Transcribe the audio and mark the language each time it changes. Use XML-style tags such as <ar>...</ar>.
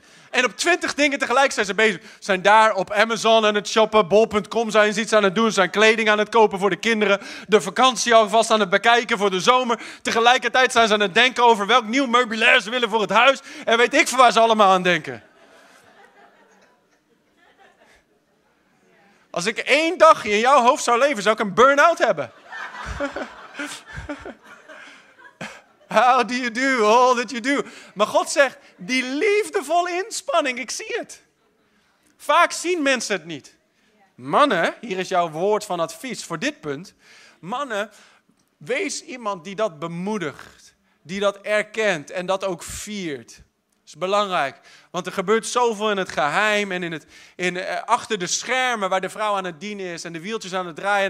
<nl>En op 20 dingen tegelijk zijn ze bezig. Zijn daar op Amazon aan het shoppen, bol.com zijn ze iets aan het doen, zijn kleding aan het kopen voor de kinderen, de vakantie alvast aan het bekijken voor de zomer. Tegelijkertijd zijn ze aan het denken over welk nieuw meubilair ze willen voor het huis. En weet ik van waar ze allemaal aan denken. Als ik één dag in jouw hoofd zou leven, zou ik een burn-out hebben.</nl> <en>How do you do all that you do?</en> <nl>Maar God zegt, die liefdevolle inspanning, ik zie het. Vaak zien mensen het niet. Mannen, hier is jouw woord van advies voor dit punt. Mannen, wees iemand die dat bemoedigt. Die dat erkent en dat ook viert. Dat is belangrijk. Want er gebeurt zoveel in het geheim en achter de schermen waar de vrouw aan het dienen is. En de wieltjes aan het draaien.</nl>